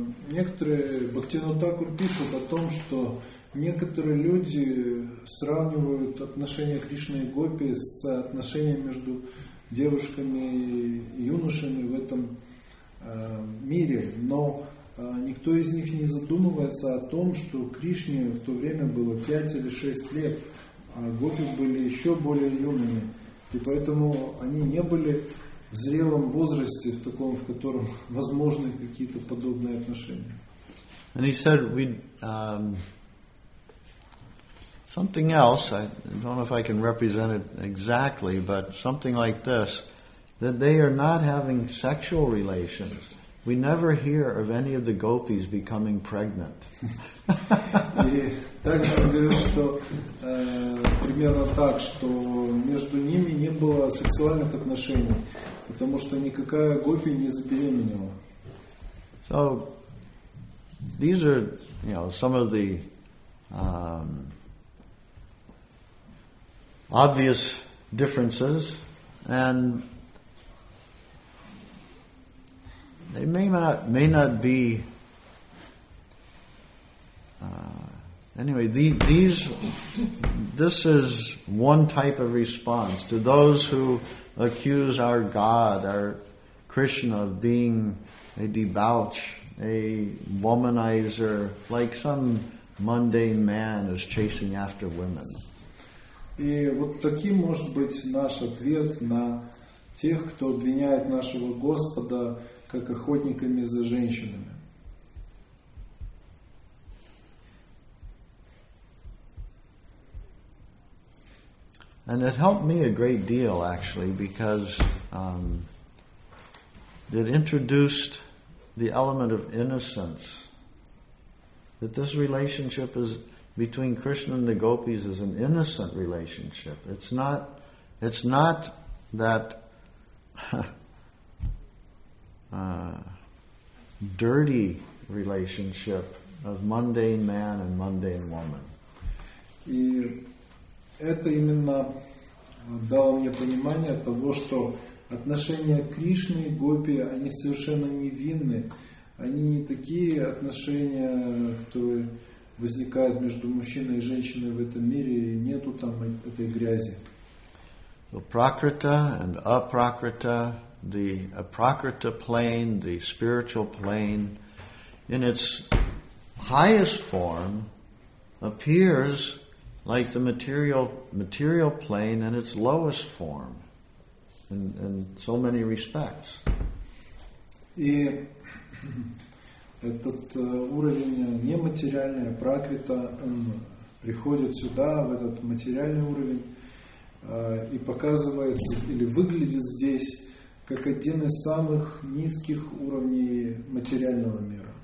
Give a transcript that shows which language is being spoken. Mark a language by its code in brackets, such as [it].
[ru] Некоторые Бхактивинода Такур пишут о том, что некоторые люди сравнивают отношения Кришны и Гопи с отношениями между девушками и юношами в этом мире, но никто из них не задумывается о том, что Кришне в то время было 5 или 6 лет, а гопи были еще более юными. И поэтому они не были в зрелом возрасте, в таком, в котором возможны какие-то подобные отношения. [en] And he said something else, I don't know if I can represent it exactly, but something like this, that they are not having sexual relations. We never hear of any of the gopis becoming pregnant. [ru] Примерно так, что между ними не было сексуальных отношений, потому что никакая гопи не забеременела. [en] So these are, you know, some of the obvious differences, and they may not be. Anyway, this is one type of response to those who accuse our God, our Krishna, of being a debauch, a womanizer, like some mundane man is chasing after women. [ru] И вот таким может быть наш ответ на тех, кто обвиняет нашего Господа как охотниками за женщинами. [en] And it helped me a great deal, actually, because it introduced the element of innocence, that this relationship is between Krishna and the gopis is an innocent relationship. It's not that dirty relationship of mundane man and mundane woman. [ru] И это именно дало мне понимание того, что отношения Кришны и гопи, они совершенно невинны. Они не такие отношения, которые возникают между мужчиной и женщиной в этом мире, и нету там этой грязи. [en] So, Prakrita and Aprakrita, the Aprakrita plane, the spiritual plane, in its highest form, appears like the material plane in its lowest form, in so many respects. [ru] И этот уровень нематериальный, пракрита, приходит сюда, в этот материальный уровень, и показывается или выглядит здесь как один из самых низких уровней материального мира.